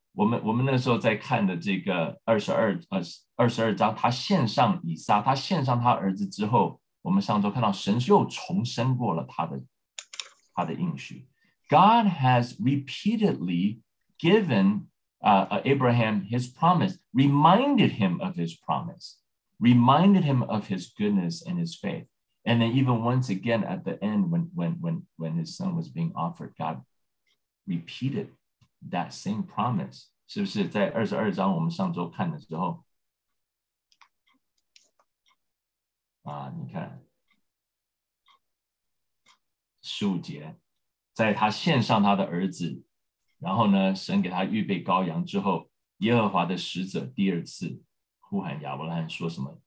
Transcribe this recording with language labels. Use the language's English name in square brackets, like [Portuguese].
[Chinese] 我们那时候在看的这个22章，他献上以撒，他献上他儿子之后，我们上周看到神又重申过了他的应许。 [English] God has repeatedly given Abraham his promise, reminded him of his promise, reminded him of his goodness and his faith, and then even once again at the end when his son was being offered, God repeated that same promise. [Chinese] 是不是在二十二章我们上周看的时候啊？你看十五节，在他献上他的儿子，然后呢，神给他预备羔羊之后，耶和华的使者第二次呼喊亚伯拉罕说什么？